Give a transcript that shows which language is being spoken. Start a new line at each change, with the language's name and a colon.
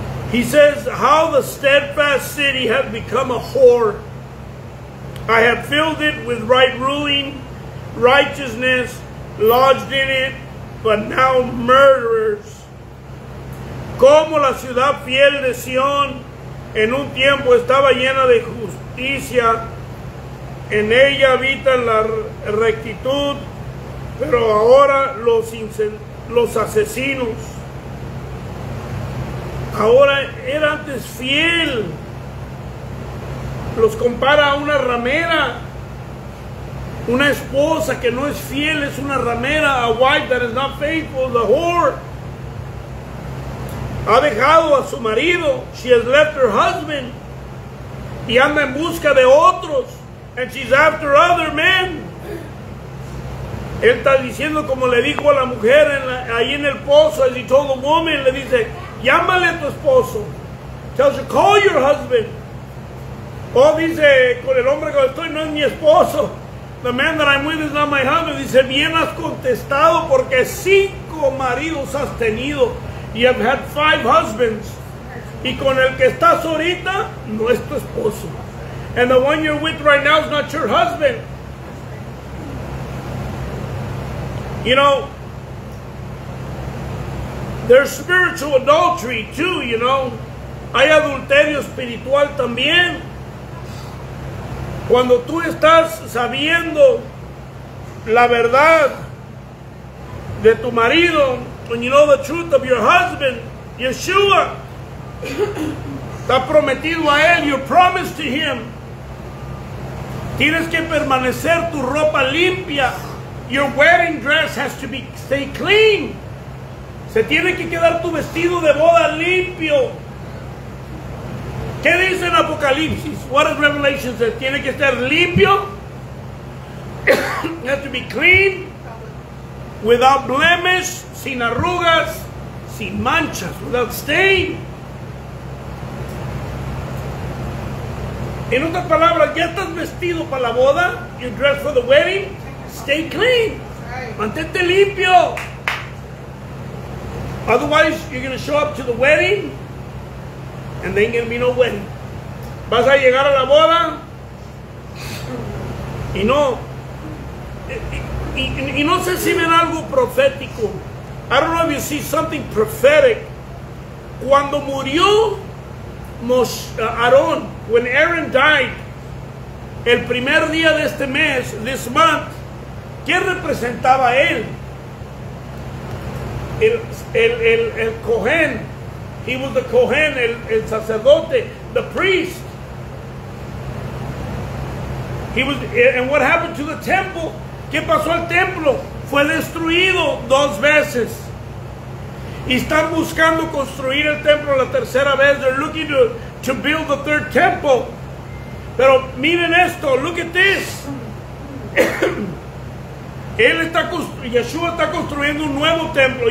English: He says, how the steadfast city have become a whore. I have filled it with right ruling, righteousness, lodged in it, but now murderers.
Spanish: Como la ciudad fiel de Sion, en un tiempo estaba llena de justicia, en ella habita la rectitud, pero ahora los asesinos. Ahora era antes fiel. Los compara a una ramera. Una esposa que no es fiel es una ramera.
English: A wife that is not faithful, the whore.
Spanish: Ha dejado a su marido.
English: She has left her husband.
Spanish: Y anda en busca de otros.
English: And she's after other men.
Spanish: Él está diciendo como le dijo a la mujer ahí en el pozo.
English: As he told the woman,
Spanish: le dice, llámale a tu esposo.
English: Tells you, call your husband.
Spanish: Oh, dice, con el hombre que estoy no es mi esposo.
English: The man that I'm with is not my husband.
Spanish: Dice, bien has contestado porque cinco maridos has tenido.
English: You have had five husbands. That's
Spanish: Y con el que estás ahorita, no es tu esposo.
English: And the one you're with right now is not your husband. You know, there's spiritual adultery too, you know.
Spanish: Hay adulterio espiritual también. Cuando tú estás sabiendo la verdad de tu marido,
English: when you know the truth of your husband,
Spanish: Yeshua, está prometido a él,
English: you promised to him.
Spanish: Tienes que permanecer tu ropa limpia.
English: Your wedding dress has to be stay clean.
Spanish: Se tiene que quedar tu vestido de boda limpio. ¿Qué dice en Apocalipsis?
English: What does Revelation say?
Spanish: Tiene que estar limpio.
English: Has to be clean. Without blemish,
Spanish: sin arrugas, sin manchas,
English: without stain.
Spanish: En otras palabras, ya estás vestido para la boda,
English: you dress for the wedding, stay clean,
Spanish: mantente limpio.
English: Otherwise, you're going to show up to the wedding, and there ain't going to be no wedding.
Spanish: Vas a llegar a la boda, y no sé si ven algo profético.
English: I don't know if you see something prophetic.
Spanish: Cuando murió Aarón,
English: when Aaron died,
Spanish: el primer día de este mes,
English: this month,
Spanish: ¿qué representaba él?
English: El Cohen, he was the Cohen,
Spanish: el sacerdote,
English: the priest. He was, and what happened to the temple?
Spanish: ¿Qué pasó al templo? Fue destruido dos veces. Y están buscando construir el templo la tercera vez.
English: They're looking to build the third temple.
Spanish: Pero miren esto.
English: Look at this.
Spanish: Él está Yeshua está construyendo un nuevo templo.